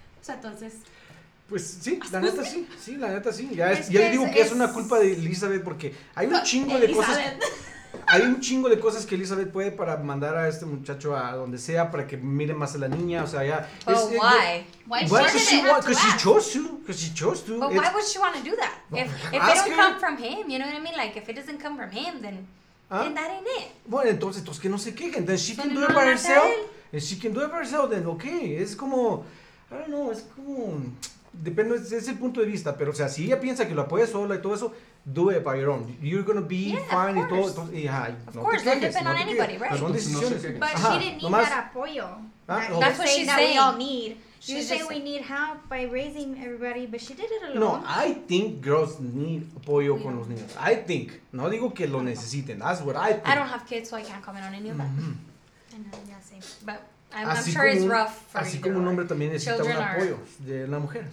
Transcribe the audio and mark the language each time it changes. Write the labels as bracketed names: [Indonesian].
[Spanish] O sea, entonces... Pues sí, la neta sí, sí, la neta sí. Ya, es, ya le digo que es una culpa de Elizabeth porque hay un chingo de cosas. Hay un chingo de cosas que Elizabeth puede para mandar a este muchacho a donde sea para que mire más a la niña, o sea, ya. Pero ¿por qué? [English] Because she chose to. But why would she want to do that? If it don't come from him, you know what I mean? Like, if it doesn't come from him, then that ain't it. [Spanish] Bueno, entonces que no se quejen. [English] Then she can do it by herself. If she can do it by herself, then okay. [Spanish] Es como, [English] I don't know, [Spanish] es como... Depende, es el punto de vista, pero o sea, si ella piensa que lo apoya sola y todo eso, [English] do it by your own. You're gonna be fine [Spanish] y todo. [English] Of course, don't depend on anybody, right? [Spanish] Son decisiones. [English] But she didn't need that apoyo. That's what she's saying. That we all need. She said we need help by raising everybody, but she did it alone. No, I think girls need [Spanish] apoyo con los niños. [English] I think. [Spanish] No digo que lo necesiten. [English] That's what I think. I don't have kids, so I can't comment on any of that. I know, yeah, same. But... I'm sure it's rough for you. [Spanish] Así como un hombre también necesita un apoyo de la mujer.